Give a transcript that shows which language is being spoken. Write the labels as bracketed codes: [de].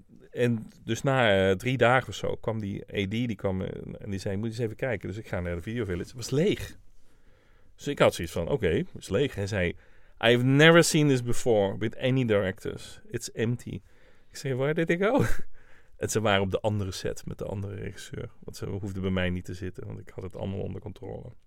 [nl] En dus na 3 dagen of zo kwam die AD, die kwam en die zei, moet eens even kijken. Dus ik ga naar de video village. Het was leeg. Dus ik had zoiets van, oké, het is leeg. [en] Hij zei, I have never seen this before with any directors. It's empty. [nl] Ik zei, [en] where did it go? [nl] En ze waren op de andere set met de andere regisseur. Want ze hoefden bij mij niet te zitten, want ik had het allemaal onder controle.